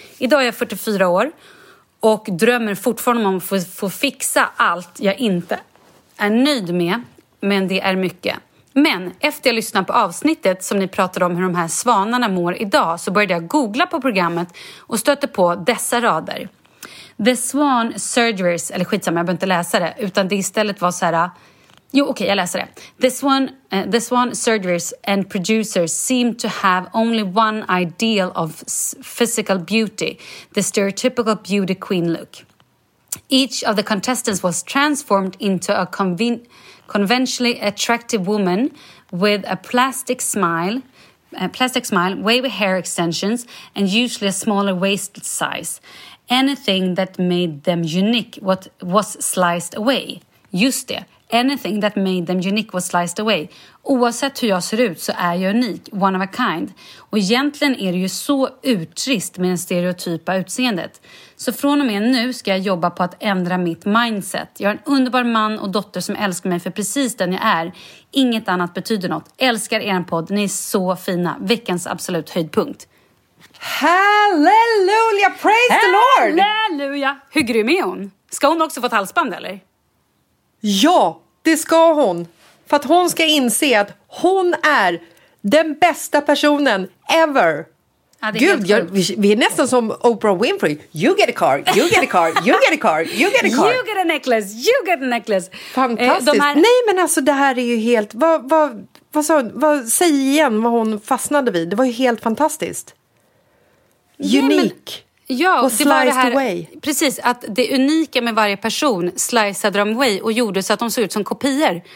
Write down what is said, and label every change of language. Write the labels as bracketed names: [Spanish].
[Swedish] Idag är jag 44 år och drömmer fortfarande om att få fixa allt jag inte är nöjd med. Men det är mycket. Men efter jag lyssnade på avsnittet som ni pratade om hur de här svanarna mår idag, så började jag googla på programmet och stötte på dessa rader. The Swan Surgeries, eller skitsamma, jag behöver inte läsa det, utan det istället var så här... Jo, okej, jag läser det. [English] The Swan Surgeries and producers seem to have only one ideal of physical beauty, the stereotypical beauty queen look. Each of the contestants was transformed into a conventionally attractive woman with a plastic smile, wavy hair extensions, and usually a smaller waist size. Anything that made them unique was sliced away. [Swedish] Just det. [English] Anything that made them unique was sliced away. [Swedish] Oavsett hur jag ser ut så är jag unik, [English] one of a kind. [Swedish] Och egentligen är det ju så uttrist med den stereotypa utseendet. Så från och med nu ska jag jobba på att ändra mitt mindset. Jag är en underbar man och dotter som älskar mig för precis den jag är. Inget annat betyder något. Älskar er podd, ni är så fina. Veckans absolut höjdpunkt. [English] Halleluja, praise the Lord! [Swedish] Halleluja! Hur grym är hon? Ska hon också få ett halsband eller? Ja, det ska hon. För att hon ska inse att hon är den bästa personen ever. Ja, Gud, vi är nästan som Oprah Winfrey. [English] You get a car, you get a car, you get a car, you get a car. You get a necklace, you get a necklace. [Swedish] Fantastiskt. Nej, men alltså det här är ju helt... Vad säg igen vad hon fastnade vid. Det var ju helt fantastiskt. [English] Unique. [Swedish] Ja, det var det här, precis, att det unika med varje person [English] sliced them away [Swedish] och gjorde så att de såg ut som kopior.